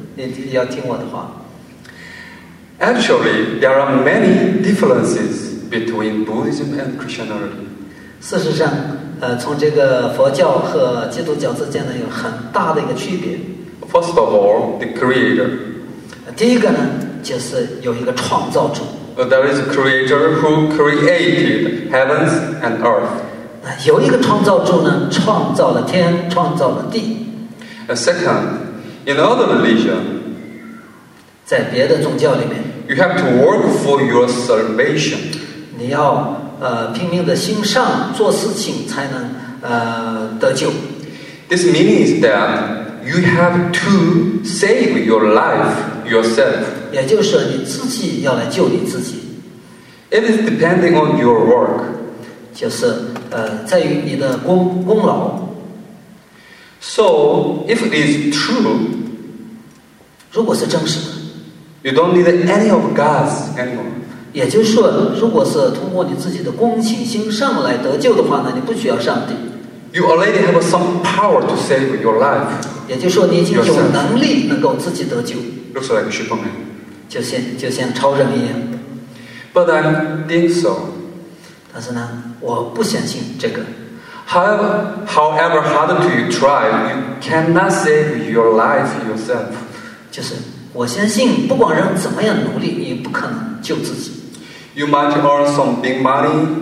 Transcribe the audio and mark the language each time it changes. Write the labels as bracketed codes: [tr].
[zh] 你要听我的话。 [en] Actually, there are many differences between Buddhism and Christianity. [zh] 事实上，从这个佛教和基督教之间呢，有很大的一个区别。 [en] First of all, the creator. [zh] 第一个呢，就是有一个创造主。 [en] There is a creator who created heavens and earth. [zh] 有一个创造主呢，创造了天，创造了地。 [en] Second, in other religion, [zh] 在别的宗教里面， [en] you have to work for your salvation. [zh] 你要拼命的心上做事情才能得救。 [en] This means that you have to save your life yourself. [zh] 也就是你自己要来救你自己。 [en] It is depending on your work. [zh] 就是在于你的功劳。 [en] So if it is true, [zh] 如果是真实的。 [en] You don't need any of God's anymore. [zh] 也就是说，如果是通过你自己的功勤心上来得救的话呢，你不需要上帝。 [en] You already have some power to save your life. [zh] 也就是说，你已经有能力能够自己得救。 [en] Looks like Superman. [zh] 就像超人一样。 [en] But I think so. [zh] 但是呢，我不相信这个。 [en] However hard do you try, you cannot save your life yourself. [zh] 就是。我相信不管人怎么样努力也不可能救自己。 [en] You might earn some big money.